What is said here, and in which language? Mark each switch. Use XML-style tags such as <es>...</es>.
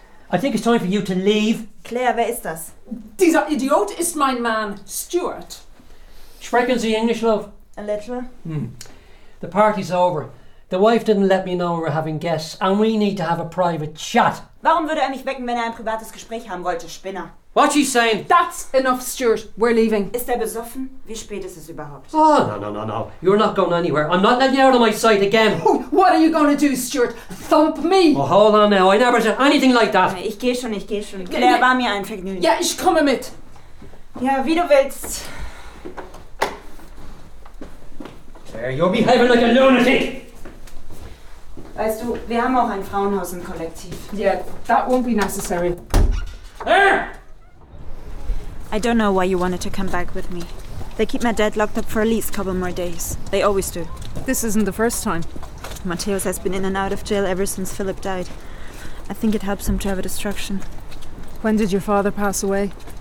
<en>I think it's time for you to leave.</en> <de>Claire, wer ist das? Dieser Idiot ist mein Mann, Stuart. Sprechen Sie English, love?</de> <en>A little. The party's over. The wife didn't let me know we're having guests and we need to have a private chat.</en> <de>Warum würde mich wecken, wenn ein privates Gespräch haben wollte, Spinner?</de> <en>What's she saying? That's enough, Stuart. We're leaving.</en> <de>Ist besoffen? Wie spät ist es überhaupt?</de> <en>Oh, no. You're not going anywhere. I'm not letting you out of my sight again. What are you going to do, Stuart? Thump me? Oh, hold on now. I never said anything like that.</en> <de>Ich geh schon. Claire, war mir ein Vergnügen. Ja, ich komme mit. Ja, wie du willst.</de> <en>Claire, you're behaving like a lunatic.</en> <de>Weißt du, wir haben auch ein Frauenhaus im Kollektiv.</de> <en>Yeah, that won't be necessary. Claire! I don't know why you wanted to come back with me. They keep my dad locked up for at least a couple more days. They always do. This isn't the first time. Matthäus has been in and out of jail ever since Philip died. I think it helps him to have a distraction. When did your father pass away?</en>